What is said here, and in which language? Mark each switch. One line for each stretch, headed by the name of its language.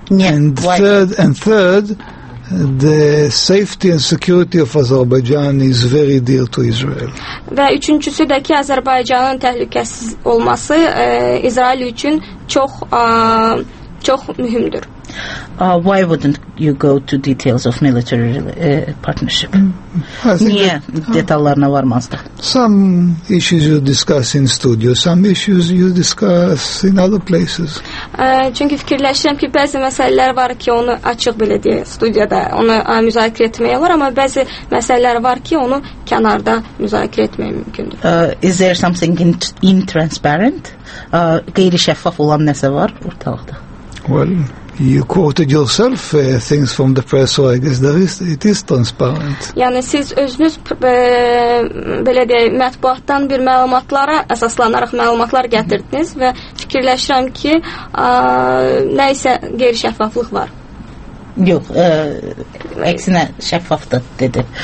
English: And third, the safety and security of Azerbaijan is very dear to Israel.
Azerbaijani: Və üçüncüsü də ki, Azərbaycanın təhlükəsiz olması İsrail üçün çox çox mühümdür.
English: Why wouldn't you go to details of military partnership?
Azerbaijani: Niyə detallarına varmazdı?
English: Some issues you discuss in studio, some issues you discuss in other places.
Azerbaijani: Çünki fikirləşirəm ki, bəzi məsələlər var ki, onu açıq belə deyə studiyada onu müzakirə etmək olar, amma bəzi məsələlər var ki, onu kənarda müzakirə etmək mümkündür.
English: Is there something intransparent?
Azerbaijani: Qeyri-şəffaf olan nəsə var ortalıqda?
English: Well, you quoted yourself things from the press, so I guess there is, it is transparent.
Azerbaijani: Yəni, siz özünüz belə deyək, mətbuatdan bir məlumatlara əsaslanaraq məlumatlar gətirdiniz və fikirləşirəm ki, nə isə qeyri şəffaflıq var. Yox, əksinə şəffafdır, dedi.